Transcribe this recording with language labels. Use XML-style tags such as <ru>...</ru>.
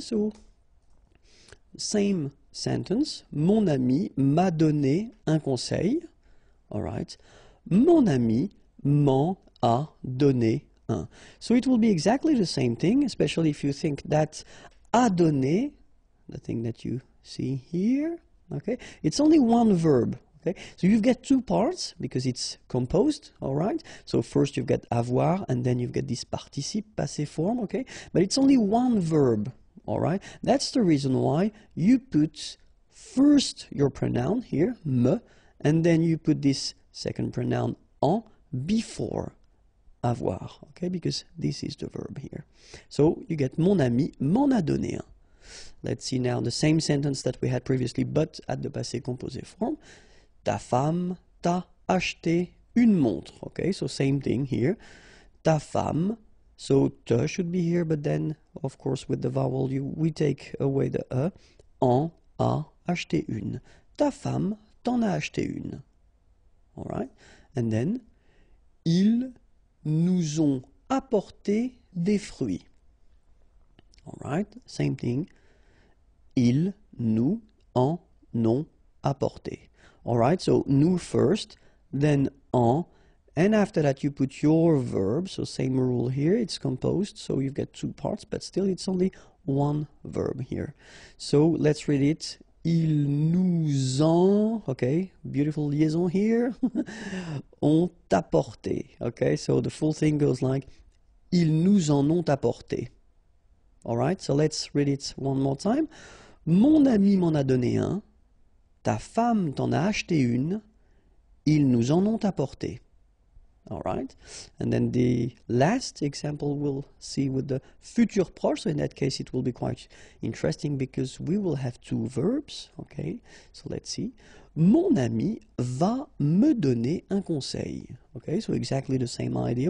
<en>So same sentence,</en> <fr>mon ami m'a donné un conseil. All right. Mon ami m'en a donné un.</fr> <en>So it will be exactly the same thing, especially if you think that a donné, the thing that you see here, okay? It's only one verb, okay? So you've got two parts because it's composed, all right? So first you've got avoir and then you've got this participe passé form, okay? But it's only one verb. All right, that's the reason why you put first your pronoun here, me, and then you put this second pronoun en before avoir, okay, because this is the verb here. So you get</en> <fr>mon ami m'en a donné un.</fr> <en>Let's see now the same sentence that we had previously, but at the passé composé form.</en> <fr>Ta femme t'a acheté une montre, okay,</fr> <en>so same thing here.</en> <fr>Ta femme.</fr> <en>So te should be here, but then of course with the vowel we take away the e.</en> <fr>En a acheté une. Ta femme t'en a acheté une.</fr> <en>All right, and then</en> <fr>ils nous ont apporté des fruits. All right, same thing. Ils nous en ont apporté.</fr> <en>All right, so nous first, then en. And after that, you put your verb. So same rule here. It's composed, so you've got two parts, but still, it's only one verb here. So let's read it.</en> <fr>Ils nous ont,</fr> <en>okay, beautiful liaison here.</en> <fr>Ont apporté,</fr> <en>okay. So the full thing goes like,</en> <fr>ils nous en ont apporté.</fr> <en>All right. So let's read it one more time.</en> <fr>Mon ami m'en a donné un. Ta femme t'en a acheté une, ils nous en ont apporté.</fr> <en>All right. And then the last example we'll see with the future proche. So in that case, it will be quite interesting because we will have two verbs.</en> <fr>Okay. So let's see. Mon ami va me donner un conseil. Okay.</fr> <en>So exactly the same idea.</en>